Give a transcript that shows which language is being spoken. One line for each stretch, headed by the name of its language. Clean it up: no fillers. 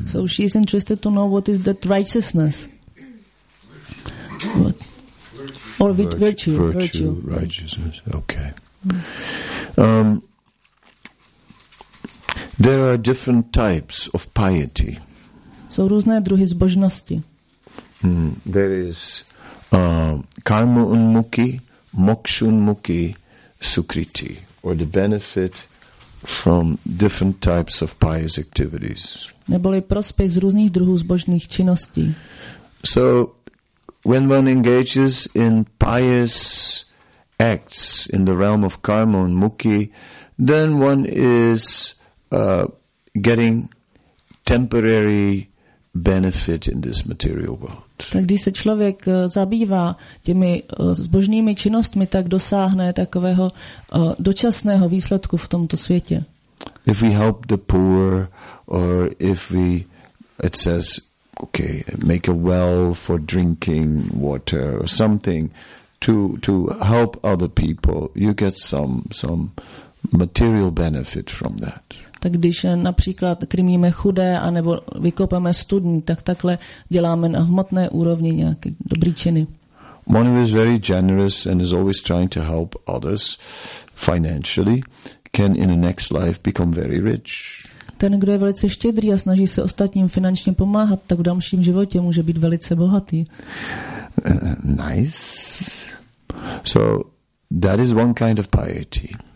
English: So she's interested to know what is that righteousness. What? Or virtue. Righteousness, okay. Hmm. There are different types of piety.
Czech: Jsou různé druhy zbožnosti. Hmm.
English: There is karma unmuki, moksha unmuki, sukriti, or the benefit from different types of pious activities.
Czech: Neboli prospěch z různých druhů zbožných činností.
English: So when one engages in pious acts in the realm of karma and mukhi, then one is getting temporary benefit in this material world.
Czech: Tak když se člověk zabývá těmi zbožnými činnostmi, tak dosáhne takového dočasného výsledku v tomto světě.
English: If we help the poor, or if we, it says, okay, make a well for drinking water or something to help other people, you get some material benefit from that.
Czech: Tak když například krmíme chudé anebo vykopeme studni, tak takhle děláme na hmotné úrovni nějaké dobrý činy.
English: One who is very generous and is always trying to help others financially can in the next life become very rich.
Czech: Ten, kdo je velice štědrý a snaží se ostatním finančně pomáhat, tak v dalším životě může být velice bohatý.
English: Nice. So that is one kind of piety.